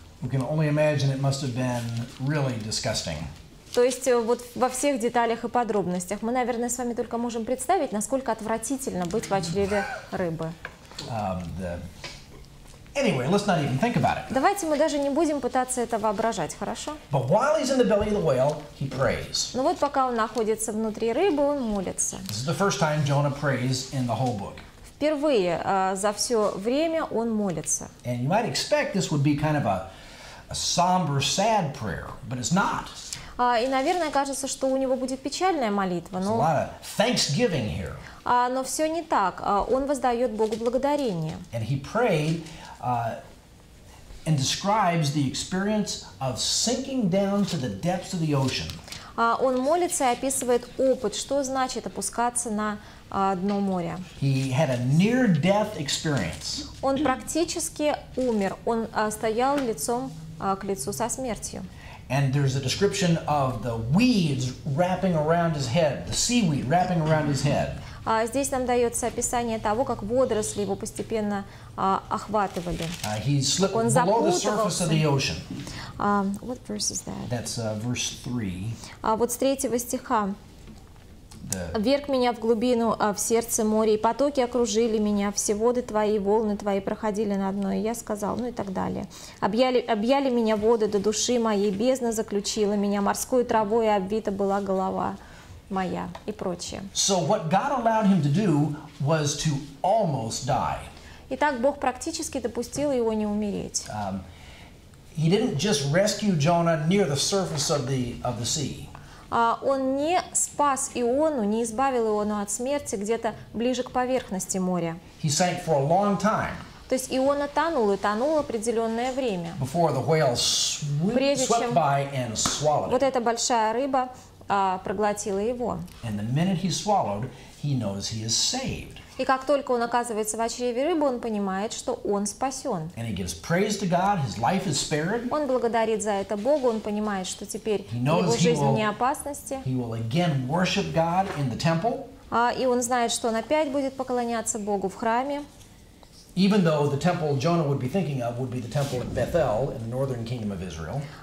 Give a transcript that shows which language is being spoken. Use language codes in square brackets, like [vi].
[en] We can only imagine it must have been really disgusting. [ru] То есть вот во всех деталях и подробностях мы, наверное, с вами только можем представить, насколько отвратительно быть в чреве рыбы. [en] Anyway, let's not even think about it. [ru] Давайте мы даже не будем пытаться это воображать, хорошо? [en] But while he's in the belly of the whale, he prays. [ru] Ну вот пока он находится внутри рыбы, он молится. [en] This is the first time Jonah prays in the whole book. [ru] Впервые за все время он молится. [en] And you might expect this would be kind of a somber, sad prayer, but it's not. [ru] И, наверное, кажется, что у него будет печальная молитва, но... [en] There's a lot of thanksgiving here. [ru] Но все не так. Он воздает Богу благодарение. [en] And he prayed... And describes the experience of sinking down to the depths of the ocean. [ru] Он молится и описывает опыт, что значит опускаться на дно моря. [en] He had a near-death experience. [ru] Он практически умер. Он стоял лицом к лицу со смертью. [en] And there's a description of the weeds wrapping around his head, the seaweed wrapping around his head. [ru] Здесь нам дается описание того, как водоросли его постепенно охватывали. Он запутался. [en] What verse is that? That's verse 3. [ru] Вот с третьего стиха. «Вверг меня в глубину, в сердце моря, и потоки окружили меня, все воды твои, волны твои проходили на дно, и я сказал», ну и так далее. «Объяли меня воды до души моей, бездна заключила меня, морской травой обвита была голова». Моя и прочее. [en] So what God allowed him to do was to almost die. [ru] Итак, Бог практически допустил его не умереть. [en] He didn't just rescue Jonah near the surface of the sea. [ru] Он не спас Иону, не избавил Иону от смерти где-то ближе к поверхности моря. [en] He sank for a long time. [ru] То есть Иона тонул и тонул определенное время. [en] Before the whale swept by and swallowed. [ru] Вот эта большая рыба. Проглотила его. [en] And the minute he swallowed, he knows he is saved. [ru] И как только он оказывается в чреве рыбы, он понимает, что он спасен. [en] And he gives praise to God, his life is spared. [ru] Он благодарит за это Богу, он понимает, что теперь его жизнь вне опасности. [en] He will again worship God in the temple. [ru] И он знает, что он опять будет поклоняться Богу в храме. [en] Even though the temple Jonah would be thinking of would be the temple of Bethel in the northern kingdom of Israel.